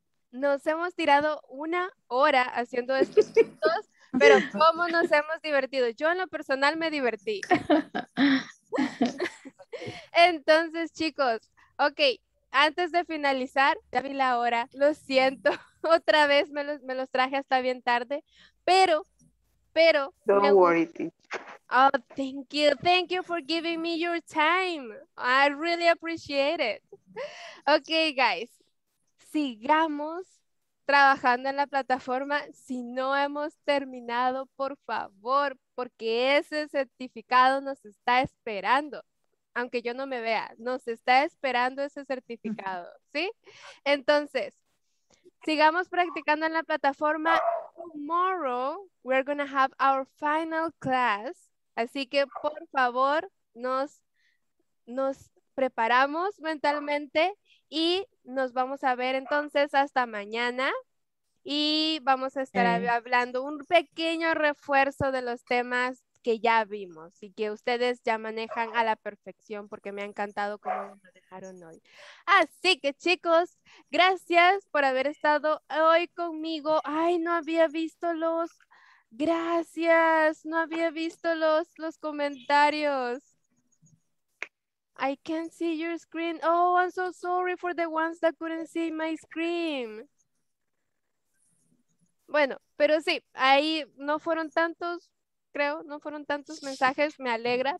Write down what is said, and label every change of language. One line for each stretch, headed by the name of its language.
Spanish: Nos hemos tirado una hora haciendo estos puntos, pero cómo nos hemos divertido. Yo en lo personal me divertí. Entonces, chicos, ok. Antes de finalizar, ya vi la hora, lo siento, otra vez me los traje hasta bien tarde, pero...
English: Don't worry. Oh, thank you for giving me your time. I really appreciate it. Ok, guys,
Spanish: sigamos trabajando en la plataforma. Si no hemos terminado, por favor, porque ese certificado nos está esperando. Aunque yo no me vea, nos está esperando ese certificado, ¿sí? Entonces, sigamos practicando en la plataforma.
English: Tomorrow, we're going to have our final class.
Spanish: Así que, por favor, nos preparamos mentalmente y nos vamos a ver entonces hasta mañana. Y vamos a estar hablando un pequeño refuerzo de los temas que ya vimos y que ustedes ya manejan a la perfección, porque me ha encantado cómo nos dejaron hoy. Así que chicos, gracias por haber estado hoy conmigo. Ay, no había visto los, gracias, no había visto los comentarios.
English: I can't see your screen. Oh, I'm so sorry for the ones that couldn't see my screen.
Spanish: Bueno, pero sí, ahí no fueron tantos, creo, no fueron tantos mensajes, me alegra.